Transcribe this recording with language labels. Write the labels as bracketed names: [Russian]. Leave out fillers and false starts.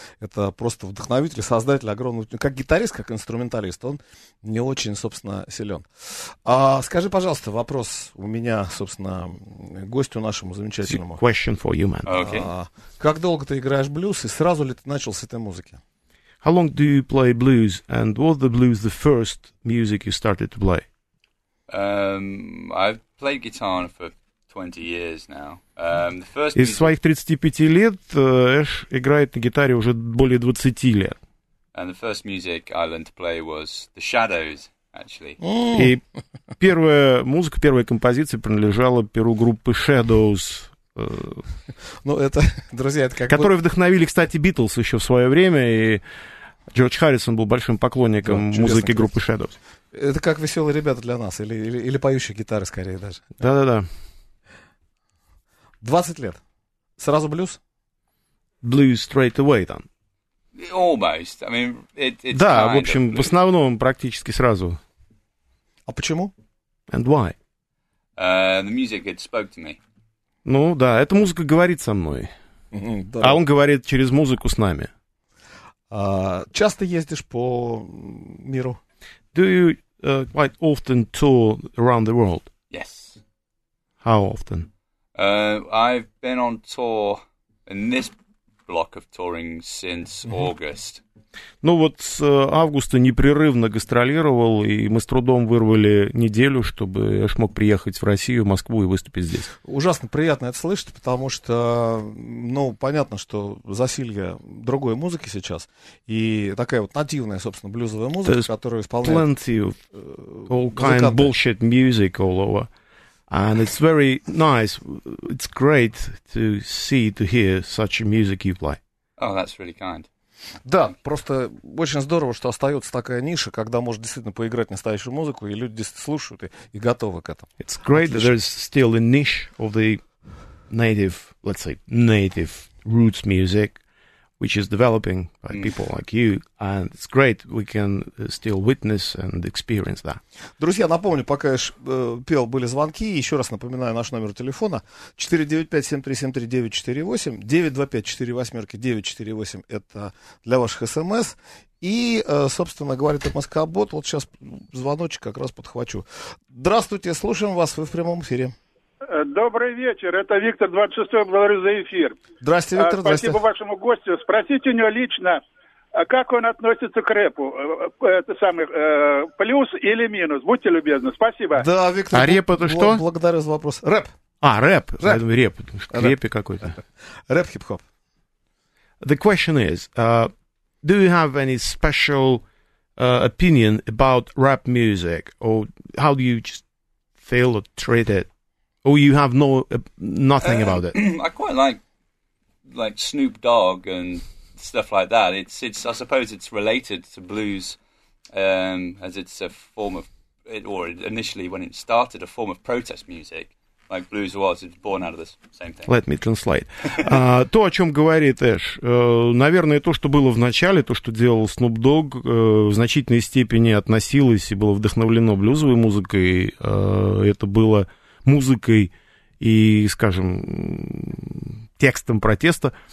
[Russian] Это просто вдохновитель, создатель огромного... Как гитарист, как инструменталист, он не очень, собственно, силен. А скажи, пожалуйста, вопрос у меня, собственно, гостю нашему замечательному. [English] Question for you, man. Okay. [Russian] Как долго ты играешь блюз и сразу ли ты начал с этой музыки? [English] How long do you play blues and was the blues the first music you started to play? I've played guitar for 20 years now. The first [Russian] из своих 35 лет Эш играет на гитаре уже более 20 лет. [English] And the first music I learned to play was The Shadows, actually. [Russian] И первая музыка, первая композиция принадлежала перу группы Shadows. Ну, это, друзья, это как которые вдохновили, кстати, Beatles еще в свое время, и Джордж Харрисон был большим поклонником музыки группы Shadows. Это как веселые ребята для нас, или поющие гитары, скорее даже. Да-да-да. 20 лет. Сразу блюз? [English] Blues straight away, then. Almost. I mean, it's [Russian] да, в общем, в основном практически сразу. А почему? [English] And why? The music, it spoke to me. [Russian] Ну да, эта музыка говорит со мной. Да. А он говорит через музыку с нами. Часто ездишь по миру? [English] Do you quite often tour around the world? Yes. How often? I've been on tour in this block of touring since August. [Russian] Ну вот с августа непрерывно гастролировал, и мы с трудом вырвали неделю, чтобы я смог приехать в Россию, в Москву и выступить здесь. Ужасно приятно это слышать, потому что, ну, понятно, что засилье другой музыки сейчас, и такая вот нативная, собственно, блюзовая музыка, которую исполняют [English] плэнти of all kind of bullshit music all over, and it's very nice, it's great to see, to hear such music you play. Oh, that's really kind. [Russian] Да, просто очень здорово, что остается такая ниша, когда можешь действительно поиграть настоящую музыку, и люди слушают и готовы к этому. [English] It's great [Russian] Отлично. [English] That there's still a niche of the native, let's say, native roots music, which is developing by people like you, and it's great we can still witness and experience that. [Russian] Друзья, напомню, пока я пел, были звонки, еще раз напоминаю наш номер телефона 495-737-3948, 925-48-948, это для ваших смс, и, собственно, говорит МСК-бот, вот сейчас звоночек как раз подхвачу. Здравствуйте, слушаем вас, вы в прямом эфире. Добрый вечер, это Виктор 26-й, благодарю за эфир. Здравствуйте, Виктор, спасибо Вашему гостю. Спросите у него лично, как он относится к рэпу, это самый, плюс или минус, будьте любезны, спасибо. Да, Виктор, а рэп это что? Благодарю за вопрос. Рэп. А, рэп, рэп. Я думаю, рэп, потому что рэп. Крепи какой-то. Рэп, хип-хоп. [English] The question is, do you have any special opinion about rap music, or how do you just feel or treat it? Oh, you have no nothing about it. I quite like Snoop Dogg and stuff like that. It's I suppose it's related to blues, as it's a form of it, or initially when it started a form of protest music, like blues was. It's born out of this same thing. Let me translate. [Russian] То, о чем говорит Эш, наверное, то, что было в начале, то, что делал Snoop Dogg, в значительной степени относилось и было вдохновлено блюзовой музыкой. Это было музыкой и, скажем, текстом протеста.